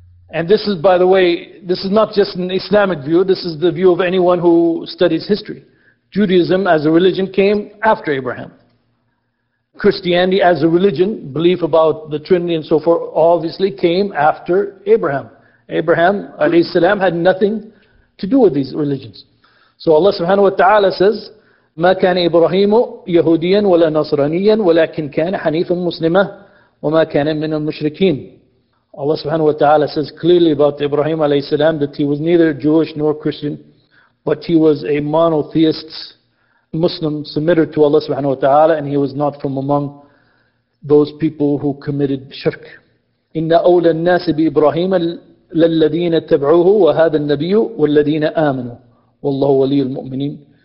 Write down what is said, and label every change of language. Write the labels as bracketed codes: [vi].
[en] And this is, by the way, this is not just an Islamic view, this is the view of anyone who studies history. Judaism as a religion came after Abraham. Christianity as a religion, belief about the Trinity and so forth, obviously came after Abraham. Abraham, alayhi salam, had nothing to do with these religions. [ar] So Allah subhanahu wa ta'ala says, مَا كَانَ إِبْرَهِيمُ يَهُودِيًا وَلَا نَصْرَانِيًّا وَلَكِنْ كَانَ حَنِيفًا مُسْلِمًا وَمَا كَانَ مِنَ الْمُشْرِكِينَ. [en] Allah subhanahu wa ta'ala says clearly about Ibrahim alayhi salam that he was neither Jewish nor Christian, but he was a monotheist Muslim submitted to Allah subhanahu wa ta'ala, and he was not from among those people who committed shirk. [ar] إِنَّ أَوْلَى النَّاسِ بِإِبْرَهِيمَ لَلَّذِينَ تَبْعُوهُ وَهَذَا النَّبِيُّ وَالَّذِينَ آمَنُوا وَاللَّهُ وَلِيُّ الْمُؤْمِنِينَ.